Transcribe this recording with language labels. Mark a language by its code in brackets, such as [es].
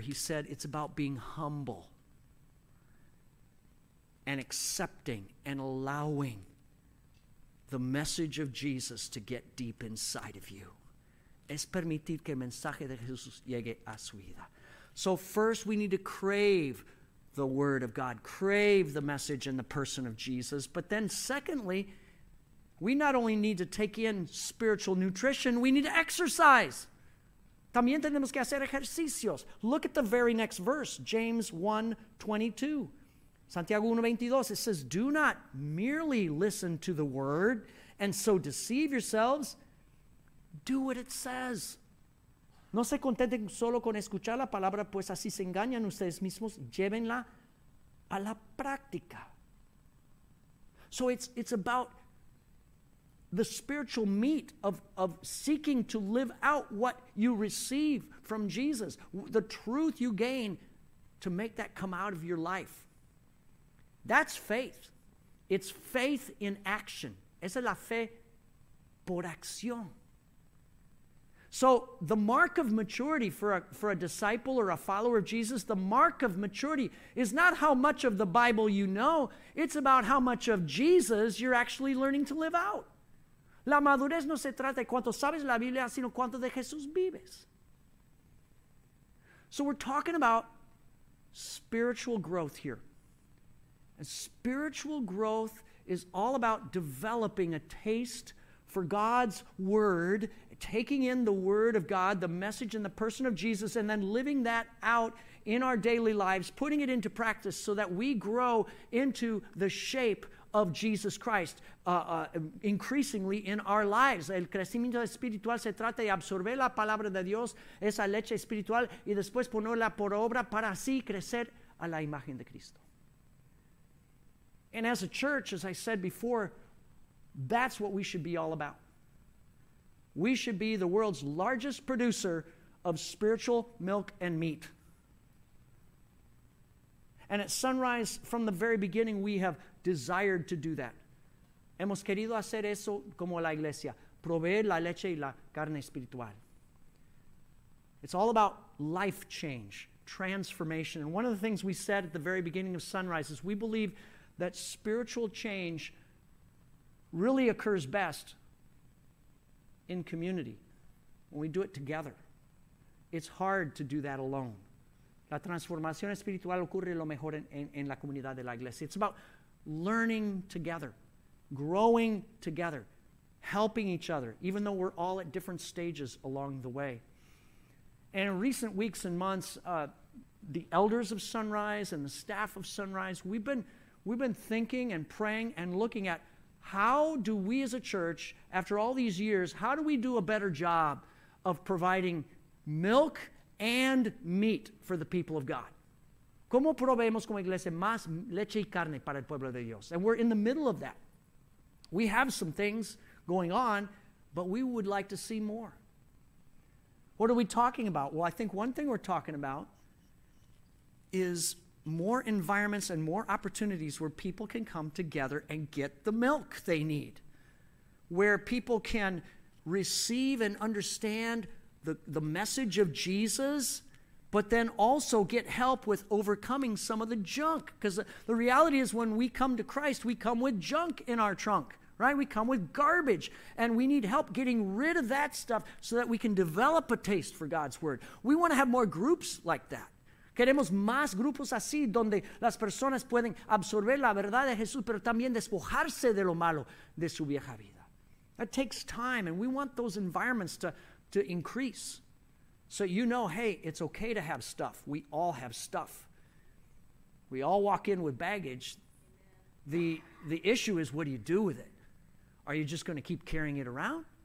[en] He said it's about being humble and accepting and allowing the message of Jesus to get deep inside of you. [es] Es permitir que el mensaje de Jesús llegue a su vida. [en] So first we need to crave the word of God, crave the message and the person of Jesus. But then secondly, we not only need to take in spiritual nutrition, we need to exercise. [es] También tenemos que hacer ejercicios. [en] Look at the very next verse, James 1:22. [es] Santiago 1:22, [en] it says, do not merely listen to the word and so deceive yourselves. Do what it says. [es] No se contenten solo con escuchar la palabra, pues así se engañan ustedes mismos. Llévenla a la práctica. [en] So it's about the spiritual meat of seeking to live out what you receive from Jesus, the truth you gain to make that come out of your life. That's faith. It's faith in action. [es] Esa es la fe por acción. [en] So the mark of maturity for a disciple or a follower of Jesus, the mark of maturity is not how much of the Bible you know. It's about how much of Jesus you're actually learning to live out. [es] La madurez no se trata de cuánto sabes la Biblia, sino cuánto de Jesús vives. [en] So we're talking about spiritual growth here. And spiritual growth is all about developing a taste for God's word, taking in the word of God, the message and the person of Jesus, and then living that out in our daily lives, putting it into practice so that we grow into the shape of Jesus Christ increasingly in our lives. [es] El crecimiento espiritual se trata de absorber la palabra de Dios, esa leche espiritual, y después ponerla por obra para así crecer a la imagen de Cristo. [en] And as a church, as I said before, that's what we should be all about. We should be the world's largest producer of spiritual milk and meat. And at Sunrise, from the very beginning, we have desired to do that. [es] Hemos querido hacer eso como la iglesia, proveer la leche y la carne espiritual. [en] It's all about life change, transformation. And one of the things we said at the very beginning of Sunrise is we believe that spiritual change really occurs best in community, when we do it together. It's hard to do that alone. [es] La transformación espiritual ocurre lo mejor en la comunidad de la iglesia. [en] It's about learning together, growing together, helping each other, even though we're all at different stages along the way. And in recent weeks and months, the elders of Sunrise and the staff of Sunrise, we've been thinking and praying and looking at how do we as a church, after all these years, how do we do a better job of providing milk and meat for the people of God? [es] ¿Cómo proveemos como iglesia más leche y carne para el pueblo de Dios? [en] And we're in the middle of that. We have some things going on, but we would like to see more. What are we talking about? Well, I think one thing we're talking about is more environments and more opportunities where people can come together and get the milk they need, where people can receive and understand the message of Jesus, but then also get help with overcoming some of the junk. Because the reality is when we come to Christ, we come with junk in our trunk, right? We come with garbage, and we need help getting rid of that stuff so that we can develop a taste for God's word. We want to have more groups like that. [es] Queremos más grupos así donde las personas pueden absorber la verdad de Jesús, pero también despojarse de lo malo de su vieja vida. [en] It takes time, and we want those environments to increase. So you know, hey, it's okay to have stuff. We all have stuff. We all walk in with baggage. The issue is, what do you do with it? Are you just going to keep carrying it around?